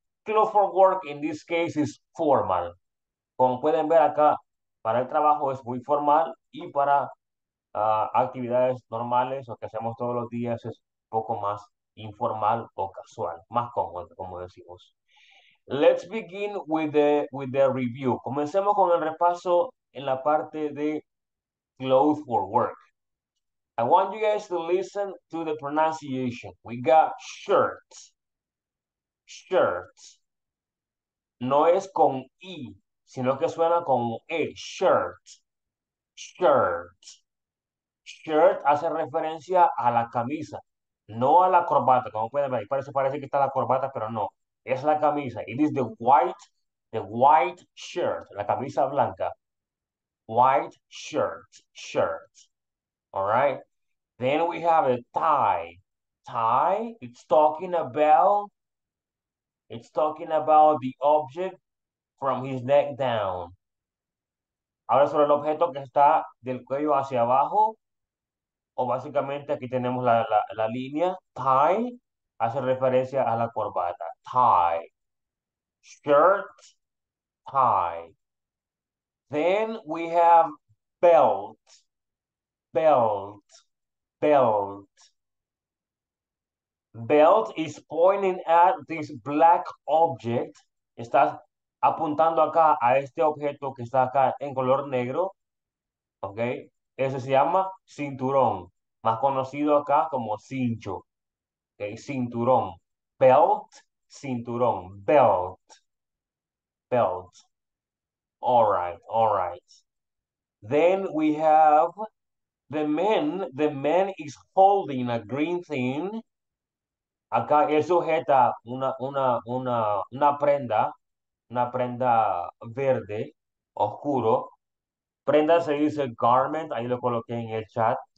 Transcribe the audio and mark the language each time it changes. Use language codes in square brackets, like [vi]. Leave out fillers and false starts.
[en] Clothes for work in this case is formal. [es] Como pueden ver acá, para el trabajo es muy formal y para actividades normales o que hacemos todos los días es un poco más informal o casual, más cómodo, como decimos. [en] Let's begin with the review. [es] Comencemos con el repaso en la parte de [en] clothes for work. I want you guys to listen to the pronunciation. We got shirt. Shirt. [es] No es con I, sino que suena con E. Shirt. Shirt. Shirt hace referencia a la camisa, no a la corbata. Como pueden ver, parece, parece que está la corbata, pero no. Es la camisa. [en] It is the white shirt. [es] La camisa blanca. [en] White shirt. Shirt. All right. Then we have a tie. Tie, it's talking about the object from his neck down. [es] Habla sobre el objeto que está del cuello hacia abajo. O básicamente aquí tenemos la, la línea. Tie hace referencia a la corbata. Tie. [en] Shirt, tie. Then we have belt. Belt. Belt. Belt is pointing at this black object. [es] Estás apuntando acá a este objeto que está acá en color negro. Ok. Ese se llama cinturón. Más conocido acá como cincho. Ok. Cinturón. Belt. Cinturón. Belt. Belt. [en] All right. All right. Then we have the man is holding a green thing. [es] Acá él sujeta una prenda, una prenda verde, oscuro. Prenda se dice garment, ahí lo coloqué en el chat.